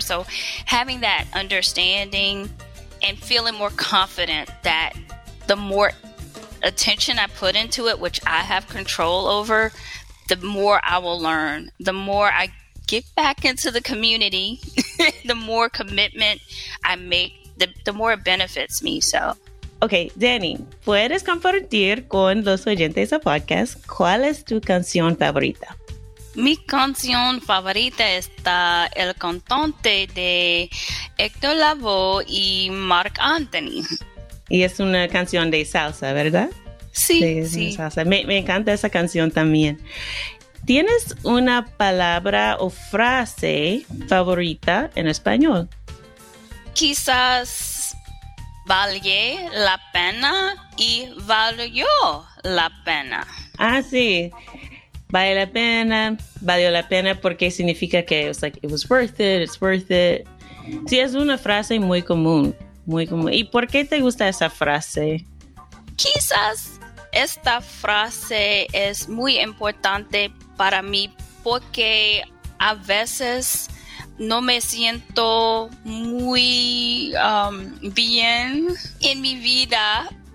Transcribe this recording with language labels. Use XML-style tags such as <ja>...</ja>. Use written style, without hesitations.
<en>So having that understanding and feeling more confident that the more attention I put into it, which I have control over, the more I will learn, the more I get back into the community, the more commitment I make, the more it benefits me. So,</en> <es>okay, Dani, ¿puedes compartir con los oyentes del podcast cuál es tu canción favorita? Mi canción favorita está el cantante de Héctor Lavoe y Marc Anthony. Y es una canción de salsa, ¿verdad? Sí, sí. Salsa. Me encanta esa canción también. ¿Tienes una palabra o frase favorita en español? Quizás valió la pena y valió la pena. Ah, sí. Vale la pena, valió la pena, porque significa que</es> <en>it was like, it was worth it, it's worth it.</en> <es>Sí, es una frase muy común, muy común. ¿Y por qué te gusta esa frase? Quizás esta frase es muy importante para mí porque a veces no me siento muy bien en mi vida.</es>